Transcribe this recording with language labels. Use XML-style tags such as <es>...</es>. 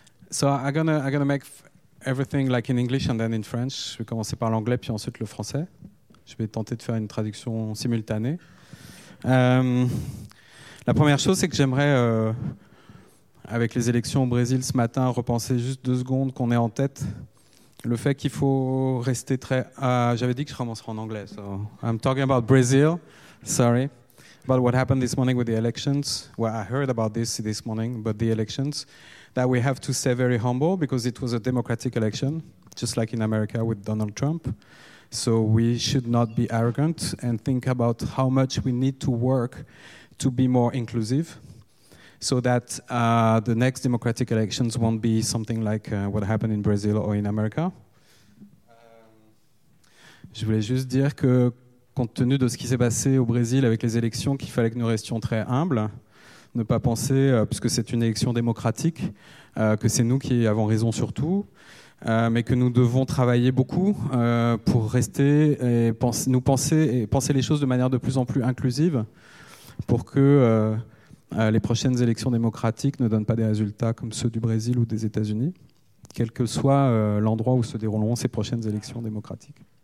<en>So I'm gonna make everything like in English and then in French.</en> <fr>Je vais commencer par l'anglais puis ensuite le français. Je vais tenter de faire une traduction simultanée. La première chose, c'est que j'aimerais, avec les élections au Brésil ce matin, repenser juste deux secondes qu'on ait en tête le fait qu'il faut rester très. J'avais dit que je commencerai en anglais.</fr> <en>So I'm talking about Brazil. Sorry. But what happened this morning with the elections, well, I heard about this morning, but the elections, that we have to stay very humble because it was a democratic election, just like in America with Donald Trump. So we should not be arrogant and think about how much we need to work to be more inclusive so that the next democratic elections won't be something like what happened in Brazil or in America.</en> <fr>Je voulais juste dire que compte tenu de ce qui s'est passé au Brésil avec les élections, qu'il fallait que nous restions très humbles, ne pas penser, puisque c'est une élection démocratique, que c'est nous qui avons raison sur tout, mais que nous devons travailler beaucoup pour rester et penser les choses de manière de plus en plus inclusive pour que les prochaines élections démocratiques ne donnent pas des résultats comme ceux du Brésil ou des États-Unis, quel que soit l'endroit où se dérouleront ces prochaines élections démocratiques.</fr>